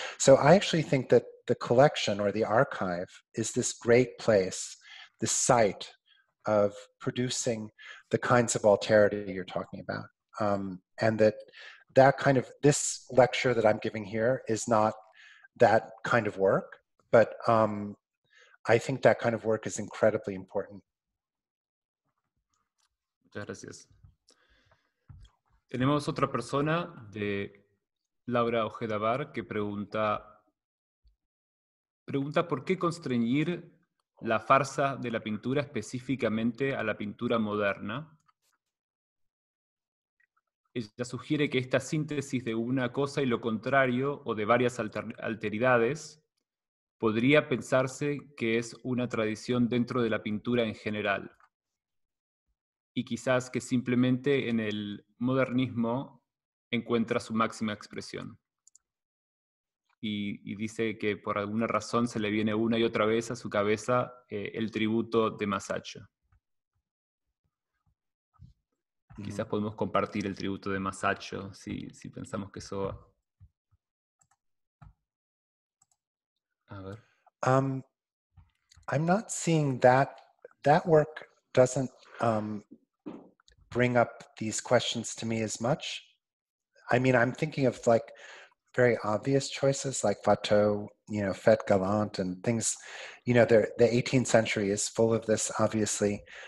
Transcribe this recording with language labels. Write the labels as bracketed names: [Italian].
[English] So I actually think that the collection or the archive is this great place, the site of producing the kinds of alterity you're talking about. And that kind of, this lecture that I'm giving here is not that kind of work, but I think that kind of work is incredibly important. [Spanish] Muchas gracias. Tenemos otra persona de Laura Ojeda Bar que pregunta por qué constreñir la farsa de la pintura específicamente a la pintura moderna. Ella sugiere que esta síntesis de una cosa y lo contrario o de varias alteridades podría pensarse que es una tradición dentro de la pintura en general. Y quizás que simplemente en el modernismo encuentra su máxima expresión. Y dice que por alguna razón se le viene una y otra vez a su cabeza el tributo de Masaccio. Mm-hmm. Quizás podemos compartir el tributo de Masaccio si pensamos que eso va. A ver. [English] I'm not seeing that work doesn't bring up these questions to me as much. I mean, I'm thinking of like very obvious choices like Fateau, you know, Fête Galante and things, you know, the 18th century is full of this, obviously.